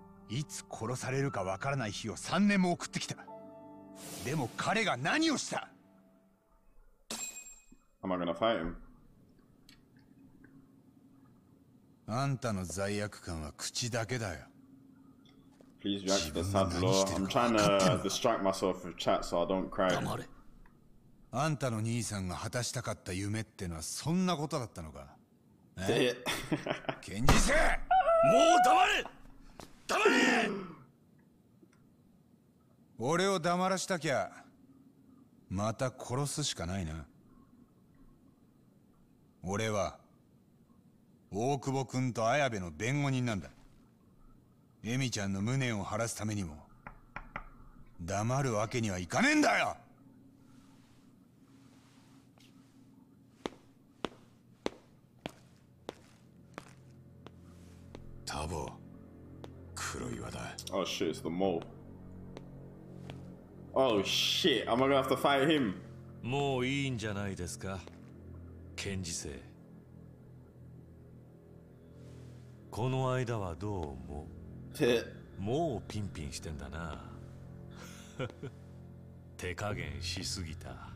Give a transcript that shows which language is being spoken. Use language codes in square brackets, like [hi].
[ja] いつ殺されるかわからない日を3年も送ってきた。でも彼が何をした？ [en] I'm not gonna fight him。 [ja] あんたの罪悪感は口だけだよ。 [en] Please react to the sad lore. I'm trying to distract myself with chat so I don't cry. [ja] 黙れ。あんたの兄さんが果たしたかった夢ってのはそんなことだったのか？ケンジセ、もう黙れ、黙れ。俺を黙らしたきゃまた殺すしかないな。俺は大久保君と綾部の弁護人なんだ。エミちゃんの無念を晴らすためにも黙るわけにはいかねえんだよ。タボ、黒岩だ。 [en] Oh shit, it's the mole. Oh shit, I'm gonna have to fight him. [ja] もういいんじゃないですか、ケンジセ。この間はどう思う？もうピンピンしてんだな。手加減しすぎた。